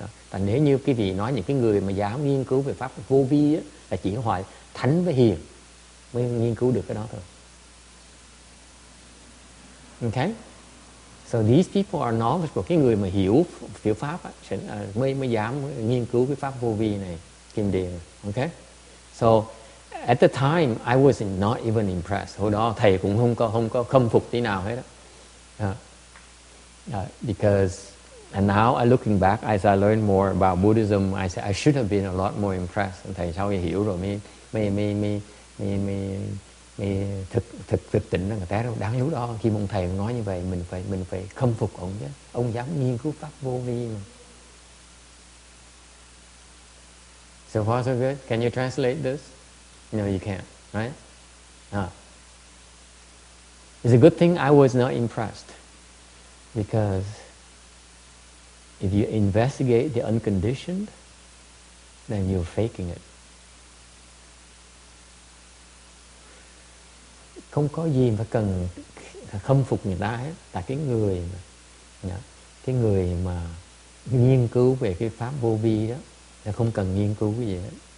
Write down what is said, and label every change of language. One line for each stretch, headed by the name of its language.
Vietnamese: Và nếu như quý vị nói những cái người mà dám nghiên cứu về pháp vô vi á, là chỉ hoài thánh với hiền mới nghiên cứu được cái đó thôi.
English: Okay? So these people are knowledgeable.
Vietnamese: Cái người mà hiểu pháp á, mới dám nghiên cứu cái pháp vô vi này, kim điền.
English: Okay? So at the time, I was not even impressed.
Vietnamese: Hồi đó thầy cũng không có khâm phục tí nào hết á.
English: And now, looking back, as I learned more about Buddhism, I said I should have been a lot more impressed.
Vietnamese: Thầy sau khi hiểu rồi mới thực tỉnh là người ta đâu. Đáng lúc đó khi ông thầy nói như vậy, mình phải khâm phục ông chứ. Ông dám nghiên cứu pháp vô vi mà.
English: So far so good. Can you translate this? No, you can't. Right? It's a good thing I was not impressed, because if you investigate the unconditioned, then you're faking it.
Vietnamese: Không có gì mà cần khâm phục người ta hết. Tại cái người mà nghiên cứu về cái pháp vô vi đó, là không cần nghiên cứu cái gì hết.